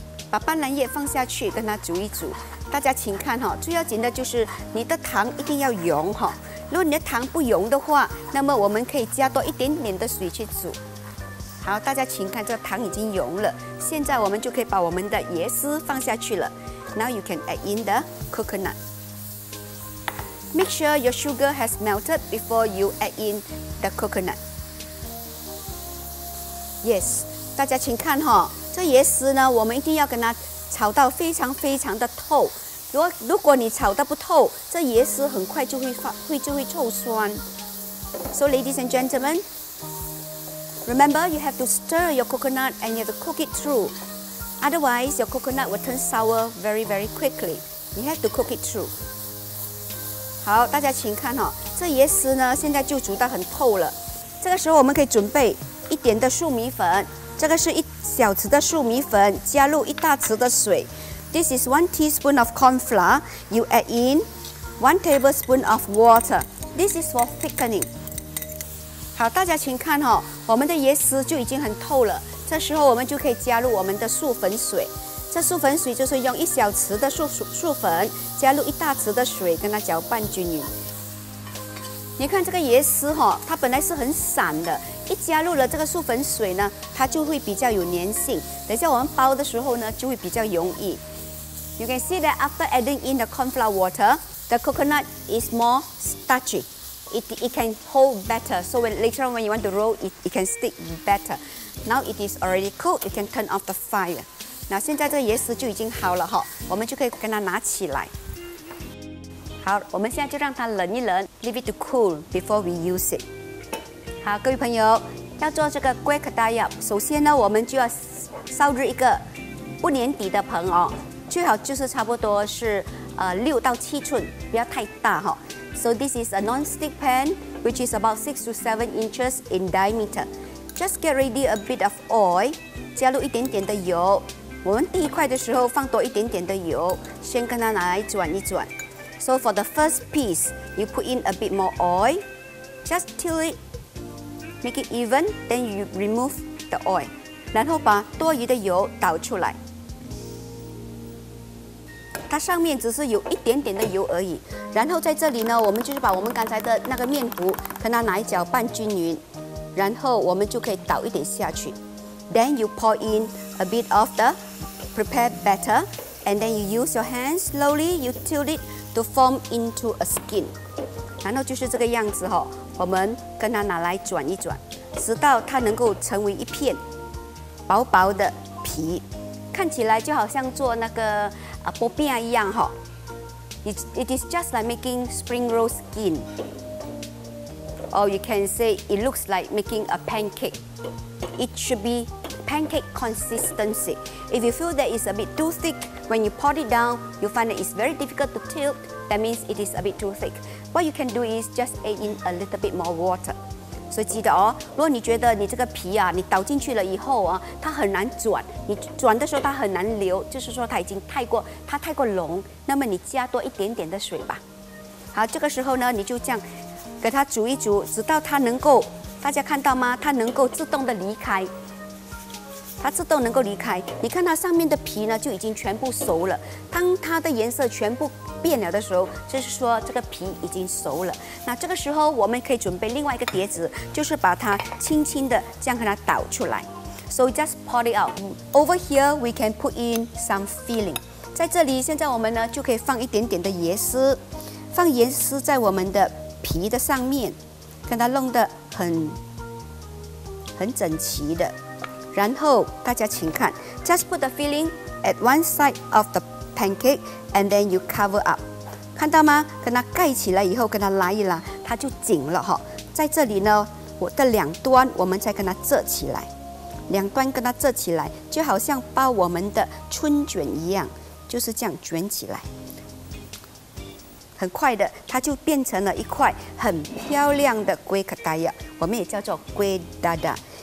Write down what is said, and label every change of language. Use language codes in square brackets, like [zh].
[zh] 把斑斓叶放下去，跟它煮一煮。大家请看哈，最要紧的就是你的糖一定要溶哈。如果你的糖不溶的话，那么我们可以加多一点点的水去煮。好，大家请看，这糖已经溶了，现在我们就可以把我们的椰丝放下去了。 [en] Now you can add in the coconut. Make sure your sugar has melted before you add in the coconut. [zh] Yes, 大家请看哈，这椰丝呢，我们一定要跟它炒到非常非常的透。如果你炒得不透，这椰丝很快就会臭酸。 [en] So ladies and gentlemen, remember you have to stir your coconut and you have to cook it through. Otherwise, your coconut will turn sour very very quickly. You have to cook it through. [zh] 好，大家请看哈，这椰丝呢现在就煮得很透了。这个时候我们可以准备一点的粟米粉。这个是一小匙的粟米粉，加入一大匙的水。 [en] This is one teaspoon of corn flour. You add in one tablespoon of water. This is for thickening. [zh] 好，大家请看哈，我们的椰丝就已经很透了。这时候我们就可以加入我们的粟粉水。这粟粉水就是用一小匙的粟粉，加入一大匙的水，跟它搅拌均匀。你看这个椰丝哈，它本来是很散的。一加入了这个粟粉水呢，它就会比较有粘性。等一下我们包的时候呢，就会比较容易。 [en] You can see that after adding in the corn flour water, the coconut is more starchy. It can hold better. So later on when you want to roll, it can stick better. Now it is already cooked. You can turn off the fire. [zh] 那现在这个椰丝就已经好了哈，我们就可以跟它拿起来。好，我们现在就让它冷一冷 ， [en] leave it to cool before we use it. [zh] 好，各位朋友，要做这个龟壳大药，首先呢，我们就要烧热一个不粘底的盆哦，最好就是差不多是6到7寸，不要太大哈、哦。 [en] So this is a non-stick pan, which is about 6 to 7 inches in diameter. Just get ready a bit of oil, [zh] 加入一点点的油。我们第一块的时候放多一点点的油，先跟它拿来转一转。 [en] So for the first piece, you put in a bit more oil, just till it. Make it even, then you remove the oil. [zh] 然后把多余的油倒出来。它上面只是有一点点的油而已。然后在这里呢，我们就是把我们刚才的那个面糊跟它拿一搅拌均匀，然后我们就可以倒一点下去。 [en] Then you pour in a bit of the prepared batter, and then you use your hands slowly, you tilt it to form into a skin. [zh] 然后就是这个样子哦。我们跟它拿来转一转，直到它能够成为一片薄薄的皮，看起来就好像做那个薄饼一样哈。 [en] It is just like making spring roll skin, or you can say it looks like making a pancake. It should be pancake consistency. If you feel that it's a bit too thick, when you pour it down, you find that it's very difficult to tilt. That means it is a bit too thick. What you can do is just add in a little bit more water. [zh] 所以记得哦，如果你觉得你这个皮啊，你倒进去了以后啊，它很难转，你转的时候它很难流，就是说它太过浓，那么你加多一点点的水吧。好，这个时候呢，你就这样给它煮一煮，直到它能够，大家看到吗？它能够自动的离开。它自动能够离开，你看它上面的皮呢就已经全部熟了。当它的颜色全部变了的时候，就是说这个皮已经熟了。那这个时候我们可以准备另外一个碟子，就是把它轻轻的这样给它倒出来。 [en] So just pour it out. Over here we can put in some filling. [zh] 在这里现在我们呢就可以放一点点的椰丝，放椰丝在我们的皮的上面，跟它弄得很整齐的。然后大家请看 [en] ，just put the filling at one side of the pancake, and then you cover up. [zh] 看到吗？跟它盖起来以后，跟它拉一拉，它就紧了哈。在这里呢，我的两端我们再跟它折起来，两端跟它折起来，就好像包我们的春卷一样，就是这样卷起来，很快的它就变成了一块很漂亮的龟卡达亚，我们也叫做龟达达。